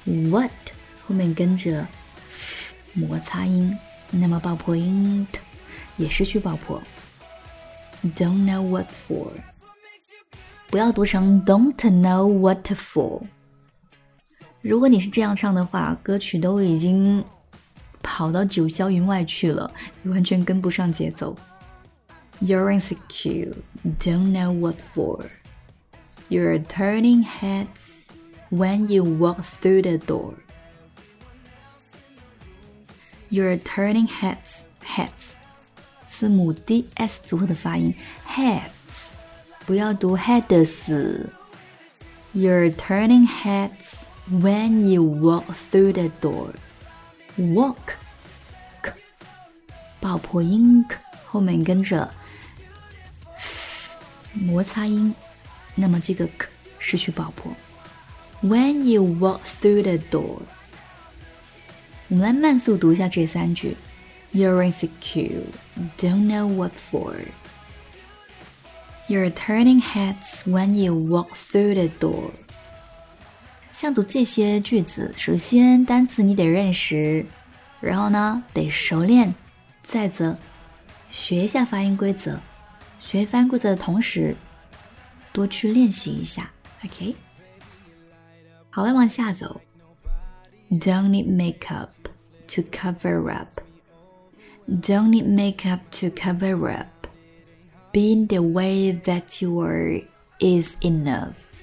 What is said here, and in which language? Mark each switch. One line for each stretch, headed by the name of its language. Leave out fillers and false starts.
Chinese: What 后面跟着摩擦音，那么爆破音也失去爆破。
English: Don't know what for，
Chinese: 不要读成
English: Don't know what for。
Chinese: 如果你是这样唱的话，歌曲都已经跑到九霄云外去了，完全跟不上节奏。
English: You're insecure, don't know what for. You're turning heads. When you walk through the door, you're turning heads.
Chinese: Heads 字母 D S 组合的发音 heads， 不要读 heads。
English: You're turning heads when you walk through the door.
Chinese: Walk, k, 爆破音 k 后面跟着 f 摩擦音，那么这个 k 失去爆破。
English: When you walk through the door，
Chinese: 我们来慢速读一下这三句。
English: You're insecure, don't know what for. You're turning heads when you walk through the door.
Chinese: 像读这些句子，首先单词你得认识，然后呢得熟练，再则学一下发音规则，学发音规则的同时多去练习一下
English: OK
Chinese: 好了往下走
English: Don't need makeup to cover up Don't need makeup to cover up Being the way that you are is enough